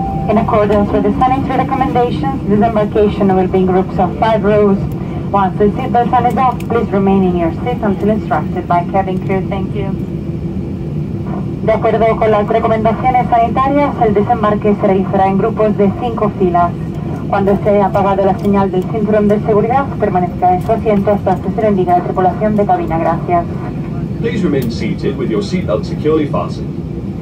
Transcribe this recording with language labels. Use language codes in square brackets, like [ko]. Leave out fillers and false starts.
[en] In accordance with the sanitary recommendations, disembarkation will be in groups of 5 rows. Once the seatbelt sign is off, please remain in your seat until instructed by cabin crew. Thank you. [es] De acuerdo con las recomendaciones sanitarias, el desembarque se realizará en grupos de 5 filas. Cuando se haya apagado la señal del cinturón de seguridad, permanezca en su asiento hasta que se le indique la tripulación de cabina. Gracias. [en] Please remain seated with your seatbelt securely fastened.